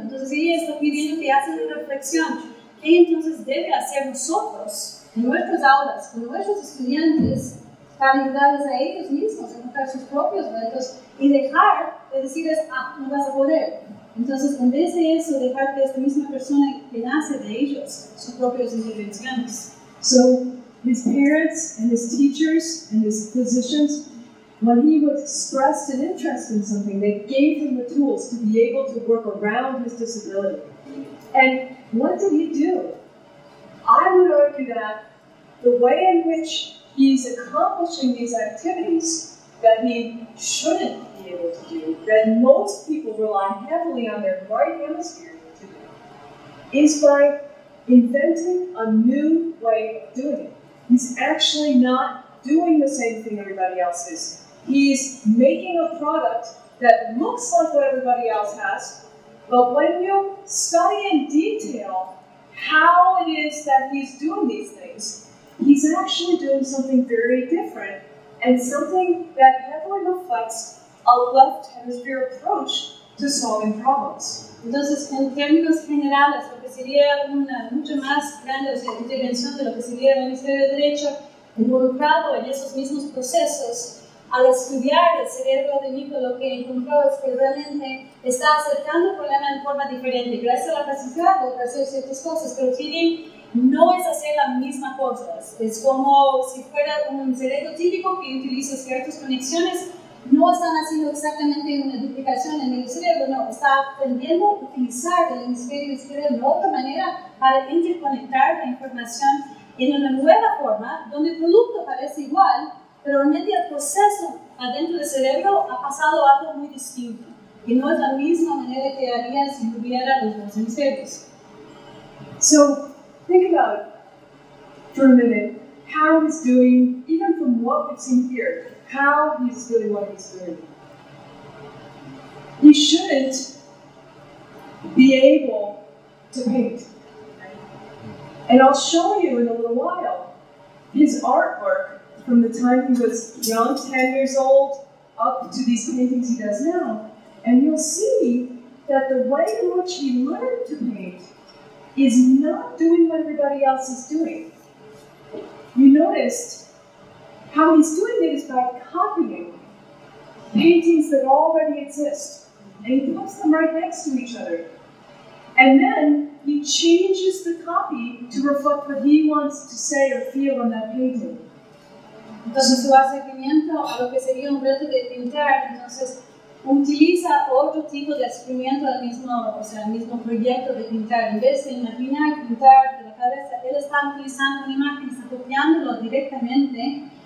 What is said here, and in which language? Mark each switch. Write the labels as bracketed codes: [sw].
[es] Entonces, ella está pidiendo que hace una reflexión. ¿Qué entonces debe hacer nosotros, en nuestras aulas, con nuestros estudiantes, para ayudarles a ellos mismos a encontrar sus propios retos y dejar de decirles, ah, no vas a poder? Entonces, en vez de eso, dejar que esta misma persona que nace de ellos, sus propias intervenciones. [en] So, his parents and his teachers and his physicians, when he was expressed an interest in something, they gave him the tools to be able to work around his disability. And what did he do? I would argue that the way in which he's accomplishing these activities that he shouldn't be able to do, that most people rely heavily on their right hemisphere to do, is by inventing a new way of doing it. He's actually not doing the same thing everybody else is. He's making a product that looks like what everybody else has, but when you study in detail how it is that he's doing these things, he's actually doing something very different and something that heavily reflects a left hemisphere approach to solving problems. [es] Entonces, en términos generales, lo que sería una mucho más grande, o sea, intervención de lo que sería el hemisferio derecho involucrado en esos mismos procesos, al estudiar el cerebro de Nico, lo que encontró es que realmente está acercando el problema en forma diferente, gracias a la facilidad de hacer ciertas cosas, pero feeling no es hacer la misma cosa, es como si fuera un cerebro típico que utiliza ciertas conexiones, no están haciendo exactamente una duplicación en el cerebro, no, está aprendiendo a utilizar el hemisferio del cerebro de otra manera para interconectar la información en una nueva forma, donde el producto parece igual, pero en medio del proceso adentro del cerebro ha pasado algo muy distinto, y no es la misma manera que haría si hubiera los dos hemisferios. [en] So, think about it for a minute, how he's doing, even from what we've seen here, how he's doing what he's doing. He shouldn't be able to paint. And I'll show you in a little while his artwork from the time he was young, 10 years old, up to these paintings he does now. And you'll see that the way in which he learned to paint is not doing what everybody else is doing. You noticed how he's doing it is by copying paintings that already exist. And he puts them right next to each other. And then he changes the copy to reflect what he wants to say or feel in that painting. [es] Entonces, su acercamiento a lo que sería un reto de pintar, entonces, utiliza otro tipo de acercamiento al mismo, o sea, al mismo proyecto de pintar. En vez de imaginar pintar de la cabeza, él está utilizando una imagen, está copiándolo directamente